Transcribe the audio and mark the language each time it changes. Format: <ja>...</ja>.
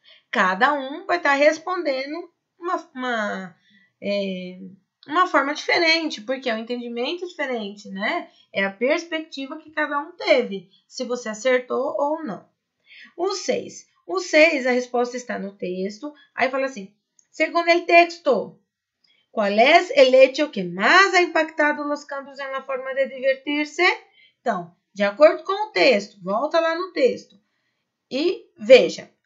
<pt>Cada um vai estar respondendo uma forma diferente, porque é um entendimento diferente, né? É a perspectiva que cada um teve, se você acertou ou não. O 6. O 6, a resposta está no texto. Aí fala assim,</pt> <es>segundo el texto, ¿cuál es el hecho que más ha impactado los cambios en la forma de divertirse?</es> <pt>Então, de acordo com o texto, volta lá no texto e veja,</pt>